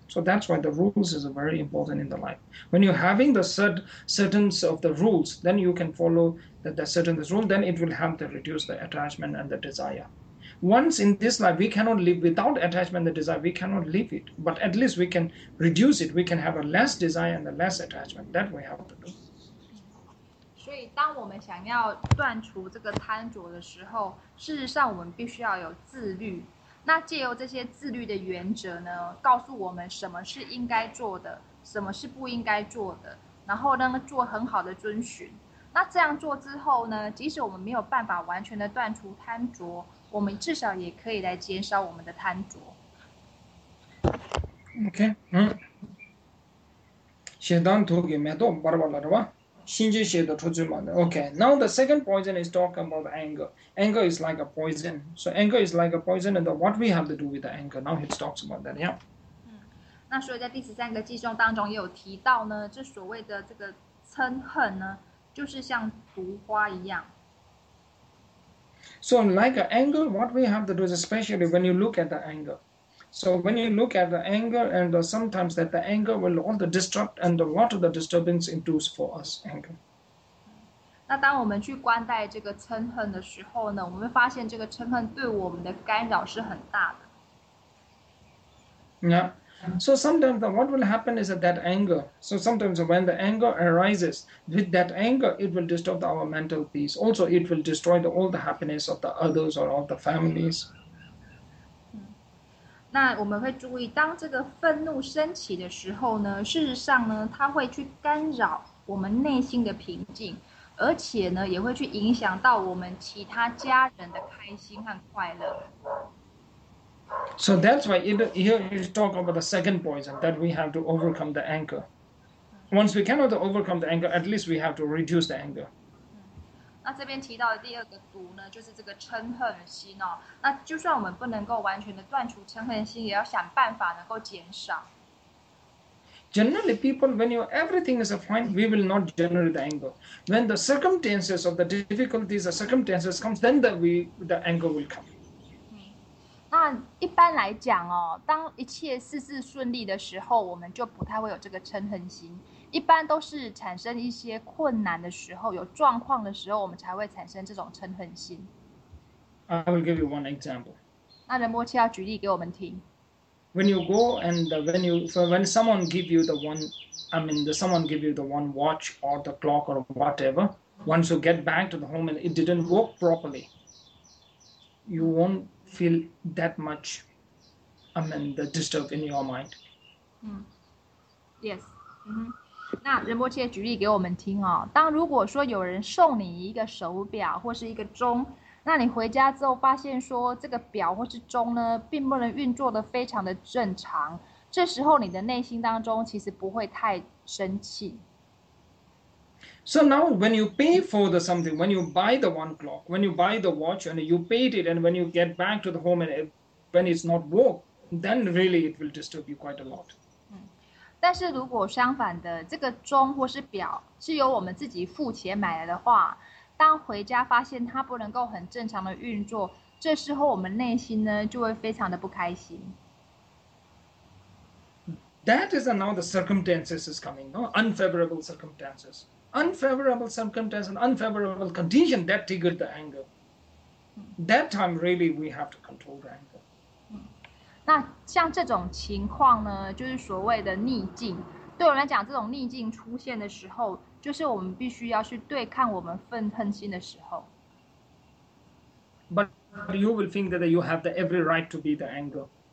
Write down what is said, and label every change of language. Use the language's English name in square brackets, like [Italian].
[English] So that's why the rules is very important in the life. When you're having the certain of the rules, then you can follow the certain rule, then it will help to reduce the attachment and the desire. Once in this life, we cannot live without attachment and the desire, we cannot live it. But at least we can reduce it, we can have a less desire and a less attachment. That we have to do. [Chinese] 所以，当我们想要断除这个贪着的时候，事实上我们必须要有自律。那借由这些自律的原则呢，告诉我们什么是应该做的，什么是不应该做的，然后呢，做很好的遵循。那这样做之后呢，即使我们没有办法完全的断除贪着，我们至少也可以来减少我们的贪着。 OK， 相当土给蛮多，巴拉巴拉的吧。 [English] Okay, now the second poison is talking about anger. Anger is like a poison. So anger is like a poison, and what we have to do with the anger? Now he talks about that, yeah. [Chinese] 那所以在第十三个偈颂当中也有提到呢，这所谓的这个嗔恨呢，就是像毒花一样。 [English] So like anger, what we have to do is especially when you look at the anger. So when you look at the anger and the, sometimes that the anger will all the disrupt and a lot of the disturbance induce for us anger. [Chinese] 那当我们去观待这个嗔恨的时候呢，我们会发现这个嗔恨对我们的干扰是很大的。 [English] Yeah. So sometimes what will happen is that anger. So sometimes when the anger arises, with that anger, it will disturb our mental peace. Also, it will destroy the, all the happiness of the others or of the families. [Chinese] 那我们会注意，当这个愤怒升起的时候呢，事实上呢，它会去干扰我们内心的平静，而且呢，也会去影响到我们其他家人的开心和快乐。 [English] So that's why here you talk about the second poison that we have to overcome the anger. Once we cannot overcome the anger, at least we have to reduce the anger. [Chinese] 那这边提到的第二个毒呢，就是这个嗔恨心哦。那就算我们不能够完全的断除嗔恨心，也要想办法能够减少。 [English] Generally, people, when you everything is fine, we will not generate the anger. When the circumstances of the difficulties, the circumstances comes, then the anger will come. [Chinese] 那一般来讲哦，当一切事事顺利的时候，我们就不太会有这个嗔恨心。一般都是产生一些困难的时候，有状况的时候，我们才会产生这种嗔恨心。 [English] I will give you one example. [Chinese] 那仁波切要举例给我们听。 [English] When you go and when you when someone give you the one, I mean the someone give you the one watch or the clock or whatever, once you get back to the home and it didn't work properly, you won't feel that much, I mean the disturb in your mind. Yes. [Chinese] 那仁波切举例给我们听哦，当如果说有人送你一个手表或是一个钟，那你回家之后发现说这个表或是钟呢，并不能运作的非常的正常，这时候你的内心当中其实不会太生气。 [English] So now when you pay for the something, when you buy the one clock, when you buy the watch and you paid it, and when you get back to the home and when it's not woke, then really it will disturb you quite a lot. [Chinese] 但是如果相反的，这个钟或是表是由我们自己付钱买来的话，当回家发现它不能够很正常的运作，这时候我们内心呢就会非常的不开心。 [English] That is now the circumstances is coming, no? Unfavorable circumstances. Unfavorable circumstances and unfavorable condition that triggered the anger. That time really we have to control the anger. [Chinese] 那像这种情况呢，就是所谓的逆境。对我来讲，这种逆境出现的时候，就是我们必须要去对抗我们愤恨心的时候。 [English] But you will think that you have the every right to be the anger.